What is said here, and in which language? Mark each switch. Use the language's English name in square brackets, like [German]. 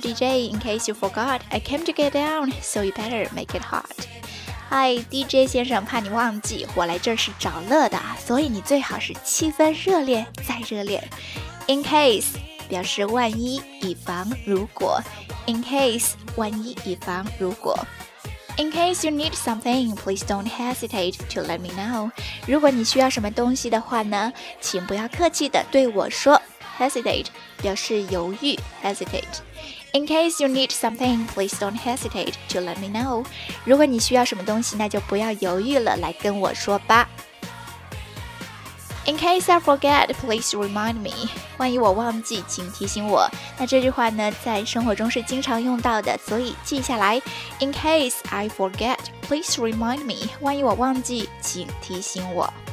[English] DJ, in case you forgot, I came to get down, so you better make it hot。 [Chinese] Hi DJ 先生，怕你忘记，我来这是找乐的，所以你最好是气氛热烈再热烈。 [English] In case [Chinese] 表示万一，以防如果。 [English] In case [Chinese] 万一，以防如果。 [English] In case you need something, please don't hesitate to let me know。 [Chinese] 如果你需要什么东西的话呢，请不要客气的对我说。 Hesitate 表示犹豫， hesitate。 [English] In case you need something, please don't hesitate to let me know. [Chinese] 如果你需要什么东西，那就不要犹豫了，来跟我说吧。 [English] In case I forget, please remind me. [Chinese] 万一我忘记，请提醒我。那这句话呢，在生活中是经常用到的，所以记下来。 [English] In case I forget, please remind me. [Chinese] 万一我忘记，请提醒我。